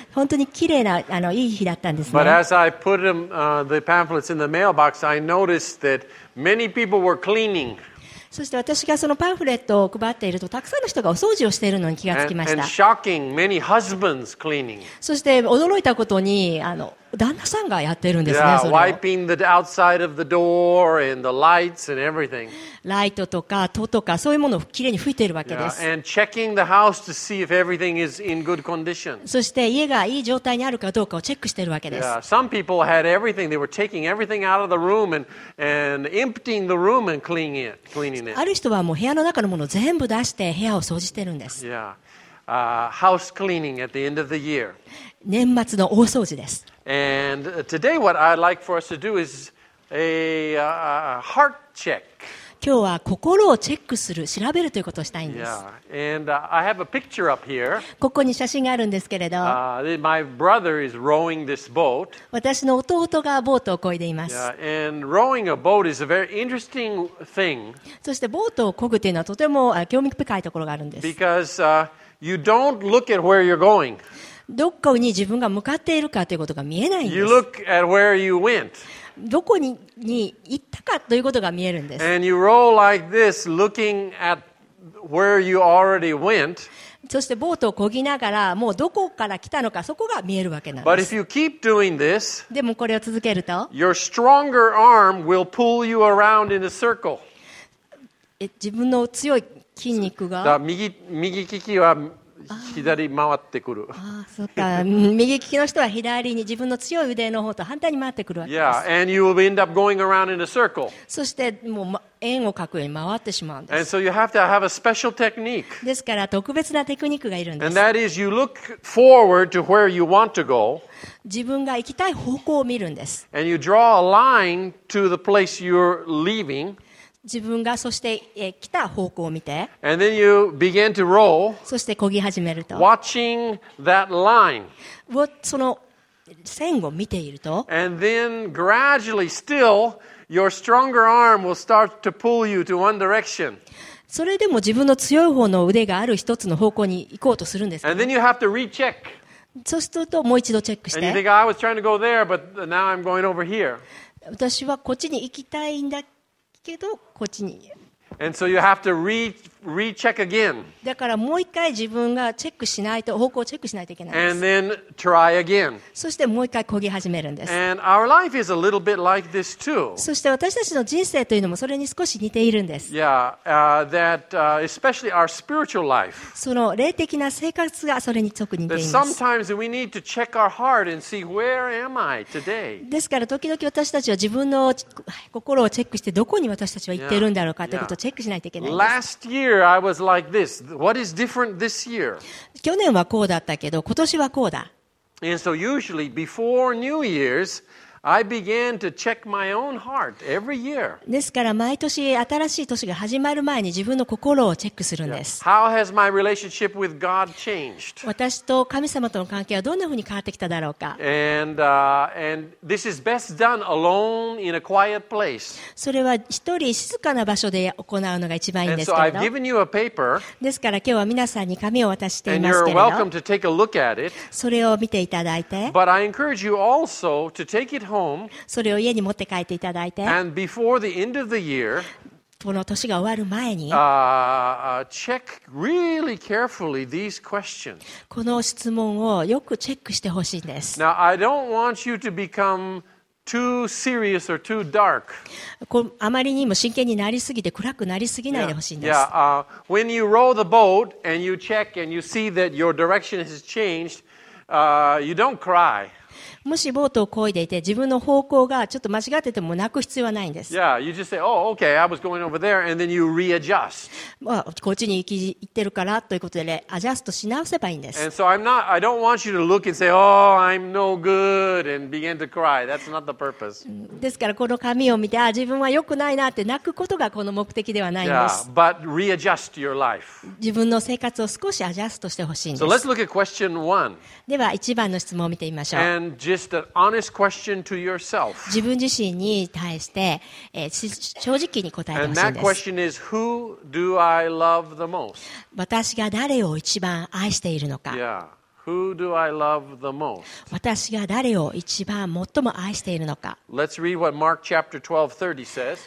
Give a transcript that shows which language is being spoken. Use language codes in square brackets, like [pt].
[ja] 本当に綺麗な、いい日だったんですね。 [en] But as I put them, the pamphlets in the mailbox, I noticed that many people were cleaning. [ja] そして私がそのパンフレットを配っていると、たくさんの人がお掃除をしているのに気がつきました。 [en] And shocking, many husbands cleaning. [ja] そして驚いたことに、旦那さんがやってるんですね。 [en] Yeah, wiping the outside of the door and the lights and everything. [ja] ライトとか戸とかそういうものをきれいに拭いているわけです。 [en] And checking the house to see if everything is in good condition. [ja] そして家がいい状態にあるかどうかをチェックしているわけです。 [en] Yeah, some people had everything. They were taking everything out of the room and emptying the room and cleaning it. [ja] ある人はもう部屋の中のものを全部出して部屋を掃除してるんです。 [en] House cleaning at the end of the year. [ja] 年末の大掃除です。 [en] And today what I'd like for us to do is a heart check. 今日は心をチェックする、調べるということをしたいんです。 Yeah. And I have a picture up here. [ja] ここに写真があるんですけれど。 [en] My brother is rowing this boat. [ja] 私の弟がボートを漕いでいます。 [en] Yeah. And rowing a boat is a very interesting thing. [ja] そしてボートを漕ぐというのはとても興味深いところがあるんです。 [en] Because you don't look at where you're going. [ja] どこに自分が向かっているかということが見えないんです。 [en] You look at where you went. [ja] どこに行ったかということが見えるんです。 [en] And you roll like this, looking at where you already went. [ja] そしてボートを漕ぎながらもうどこから来たのかそこが見えるわけなんです。 [en] But if you keep doing this, [ja] でもこれを続けると、 [en] your stronger arm will pull you around in a circle. [ja] 自分の強い筋肉が、右利きは左回ってくる。ああ、そうか。右利きの人は左に自分の強い腕の方と反対に回ってくるわけです。 [en] Yeah, and you will end up going around in a circle. [ja] そしてもう円を描くように回ってしまうんです。 [en] And so you have to have a special technique. [ja] ですから特別なテクニックがいるんです。 [en] And that is you look forward to where you want to go. [ja] 自分が行きたい方向を見るんです。 [en] And you draw a line to the place you're leaving. [ja] 自分がそして来た方向を見て、 [en] And then you begin to roll, [ja] そして漕ぎ始めると、 [en] watching that line, [ja] その線を見ていると、 [en] And then gradually still, your stronger arm will start to pull you to one direction. [ja] それでも自分の強い方の腕がある一つの方向に行こうとするんですか、 [en] And then you have to recheck. [ja] そうするともう一度チェックして、 [en] And you think, I was trying to go there, but now I'm going over here. [ja] 私はこっちに行きたいんだけどこっちに。 [en] And so you have to recheck again. [ja] だからもう一回自分がチェックしないと方向をチェックしないといけないんです。 [en] And then try again. [ja] そしてもう一回漕ぎ始めるんです。 [en] And our life is a little bit like this too. [ja] そして私たちの人生というのもそれに少し似ているんです。 [en] Yeah, that especially our spiritual life. [ja] その霊的な生活がそれに特に似ています。 [en] That sometimes we need to check our heart and see where am I today. [ja] ですから時々私たちは自分の心をチェックしてどこに私たちは行っているんだろうかということ。チェックしないといけないんです。 [en] Last year I was like this. What is different this year? [ja] 去年はこうだったけど、今年はこうだ。 [en] And so usually before New Year's, I began to check my own heart every year. [ja] ですから毎年新しい年が始まる前に自分の心をチェックするんです。 [en] Yeah. How has my relationship with God changed? [ja] 私と神様との関係はどんなふうに変わってきただろうか。 [en] And this is best done alone in a quiet place. [ja] それは一人静かな場所で行うのが一番いいんですけど。 [en] And so I've given you a paper. [ja] ですから今日は皆さんに紙を渡していますけれど。 [en] And you're welcome to take a look at it. [ja] それを見ていただいて。 [en] But I encourage you also to take it. [ja] それを家に持って帰っていただいて、 [en] And before the end of the year, [ja] この年が終わる前に、 [en] check really carefully these questions. [ja] この質問をよくチェックしてほしいんです。 [en] Now, I don't want you to become too serious or too dark. [ja] あまりにも真剣になりすぎて暗くなりすぎないでほしいんです。 [en] Yeah, when you row the boat and you check and you see that your direction has changed, you don't cry. [ja] もしボートを漕いでいて自分の方向がちょっと間違っててもなく必要はないんです。 [en] Yeah, you just say, oh, okay, I was going over there, and then you readjust. [ja] まあ、こっちに行ってるからということで、ね、アジャストし直せばいいんです。 [en] And so I don't want you to look and say, oh, I'm no good, and begin to cry. That's not the purpose. [ja] ですからこの紙を見て、あ、自分は良くないなって泣くことがこの目的ではないんです。 [en] Yeah, but readjust your life. [ja] 自分の生活を少しアジャストしてほしいんです。 [en] So let's look at question one. [ja] では1番の質問を見てみましょう。 [en] And just an honest question to yourself. [ja] 自分自身に対して、正直に答えてほしいんです。 [en] And that question is, who do I love the most? [ja] 私が誰を一番愛しているのか。 [en] Yeah. Who do I love the most? [ja] 私が誰を一番最も愛しているのか。 [en] Let's read what Mark chapter 12:30 says.